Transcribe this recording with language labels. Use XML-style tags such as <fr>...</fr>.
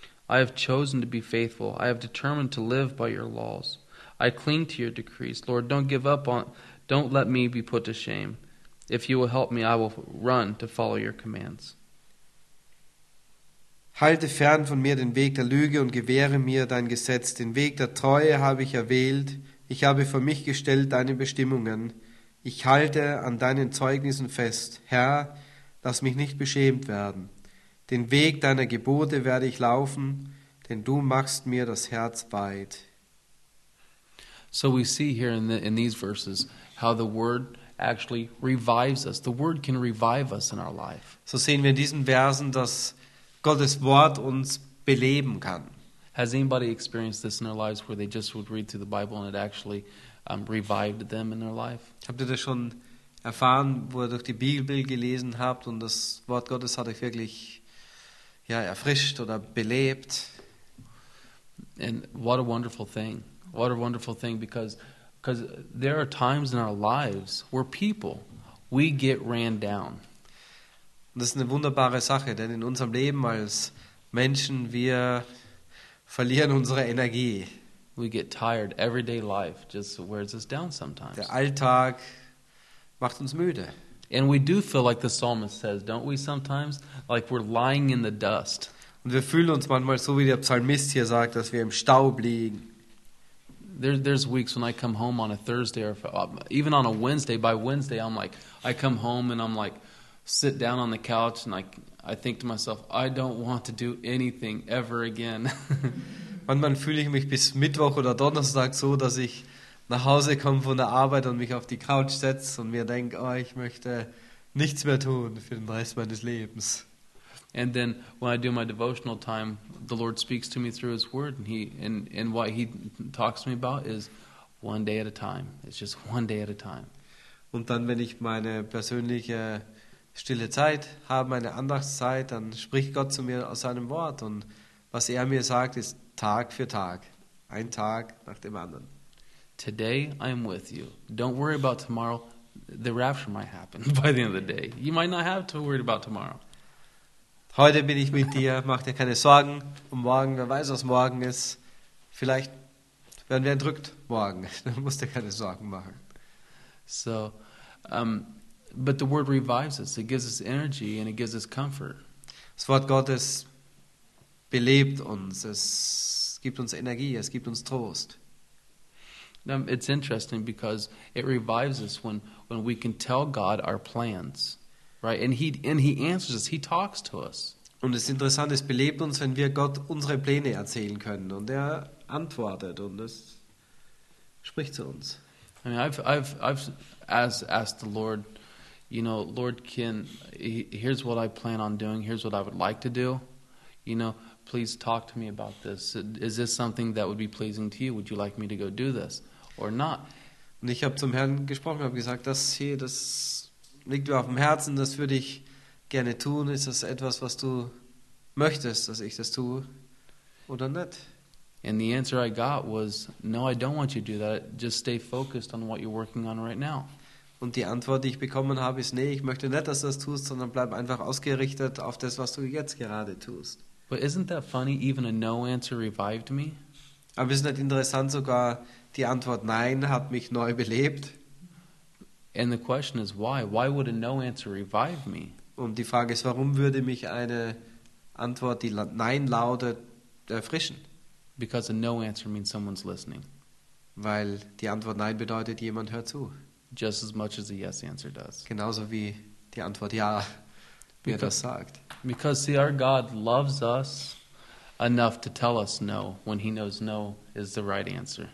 <en>I have chosen to be faithful. I have determined to live by your laws. I cling to your decrees. Lord, don't let me be put to shame. If you will help me, I will run to follow your commands.</en> <de>Halte fern von mir den Weg der Lüge und gewähre mir dein Gesetz. Den Weg der Treue habe ich erwählt. Ich habe für mich gestellt deine Bestimmungen. Ich halte an deinen Zeugnissen fest. Herr, lass mich nicht beschämt werden. Den Weg deiner Gebote werde ich laufen, denn du machst mir das Herz weit.</de> <en>So we see here in these verses how the word actually revives us. The word can revive us in our life.</en> <de>So sehen wir in diesen Versen, dass Gottes Wort uns beleben kann.</de> <en>Has anybody experienced this in their lives where they just would read through the Bible and it actually revived them in their life?</en> <de>Habt ihr das schon erfahren, wo ihr durch die Bibel gelesen habt und das Wort Gottes hat euch wirklich erfrischt oder belebt?</de> <en>And what a wonderful thing. What a wonderful thing, because there are times in our lives where people, we get ran down.</en> <de>Und das ist eine wunderbare Sache, denn in unserem Leben als Menschen, wir verlieren unsere Energie.</de> <en>We get tired. Everyday life just wears us down sometimes.</en> <de>Der Alltag macht uns müde.</de> <en>And we do feel like the psalmist says, don't we sometimes? Like we're lying in the dust.</en> <de>Und wir fühlen uns manchmal so, wie der Psalmist hier sagt, dass wir im Staub liegen.</de> <en>There's weeks when I come home on a Thursday or even on a Wednesday. By Wednesday, I'm like, I come home and I'm like, sit down on the couch and I think to myself, I don't want to do anything ever again.</en> <de>Manchmal fühle ich mich bis Mittwoch oder Donnerstag so, dass ich nach Hause komme von der Arbeit und mich auf die Couch setze und mir denke, oh, ich möchte nichts mehr tun für den Rest meines Lebens.</de> <en>And then when I do my devotional time, the Lord speaks to me through his word and what he talks to me about is one day at a time. It's just one day at a time.</en> <de>Und dann, wenn ich meine persönliche stille Zeit habe, meine Andachtszeit, dann spricht Gott zu mir aus seinem Wort und was er mir sagt, ist Tag für Tag, ein Tag nach dem anderen.</de> <en>Today I am with you. Don't worry about tomorrow. The rapture might happen by the end of the day. You might not have to worry about tomorrow.</en> <de>Heute bin ich mit dir. Mach dir keine Sorgen um morgen. Wer weiß, was morgen ist. Vielleicht werden wir entrückt morgen. Dann musst du keine Sorgen machen.</de> <en>So, but the word revives us. It gives us energy and it gives us comfort.</en> <de>Das Wort Gottes belebt uns. Es gibt uns Energie. Es gibt uns Trost.</de> <en>It's interesting because it revives us when we can tell God our plans, right? And he answers us. He talks to us.</en> <de>Und es ist interessant, es belebt uns, wenn wir Gott unsere Pläne erzählen können und er antwortet und es spricht zu uns.</de> <en>I mean, I've asked the Lord, you know, Lord, here's what I plan on doing. Here's what I would like to do. You know, please talk to me about this. Is this something that would be pleasing to you? Would you like me to go do this or not?</en> <de>Und ich habe zum Herrn gesprochen, habe gesagt, das liegt mir auf dem Herzen, das würde ich gerne tun. Ist das etwas, was du möchtest, dass ich das tue oder nicht?</de> <en>And the answer I got was, no, I don't want you to do that. Just stay focused on what you're working on right now.</en> <de>Und die Antwort, die ich bekommen habe, ist, nee, ich möchte nicht, dass du das tust, sondern bleib einfach ausgerichtet auf das, was du jetzt gerade tust.</de> <en>But isn't that funny, even a no answer revived me?</en> <de>Aber ist nicht interessant, sogar die Antwort nein hat mich neu belebt.</de> <en>And the question is why? Why would a no answer revive me?</en> <de>Und die Frage ist, warum würde mich eine Antwort, die nein lautet, erfrischen?</de> <en>Because a no answer means someone's listening.</en> <de>Weil die Antwort nein bedeutet, jemand hört zu.</de> <en>Just as much as a yes answer does.</en> <de>Genauso wie die Antwort ja, wie er das sagt.</de> <en>Because see, our God loves us enough to tell us no when he knows no is the right answer.</en>